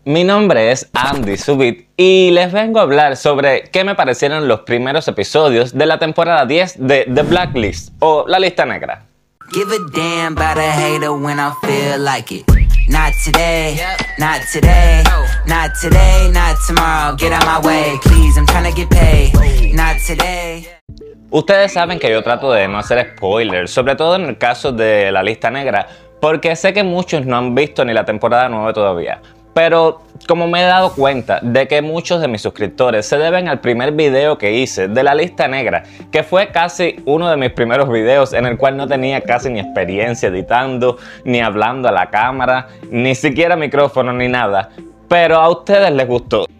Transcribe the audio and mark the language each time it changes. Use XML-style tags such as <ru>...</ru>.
<es>Mi nombre es Andy Subit y les vengo a hablar sobre qué me parecieron los primeros episodios de la temporada 10 de The Blacklist o La Lista Negra.</es> <en>Give a damn about a hater when I feel like it. Not today, not today, not today, not tomorrow. Get out my way, please, I'm trying to get paid. Not today.</en> <es>Ustedes saben que yo trato de no hacer spoilers, sobre todo en el caso de La Lista Negra, porque sé que muchos no han visto ni la temporada 9 todavía. Pero como me he dado cuenta de que muchos de mis suscriptores se deben al primer video que hice de La Lista Negra, que fue casi uno de mis primeros videos en el cual no tenía casi ni experiencia editando, ni hablando a la cámara, ni siquiera micrófono ni nada, pero a ustedes les gustó.</es>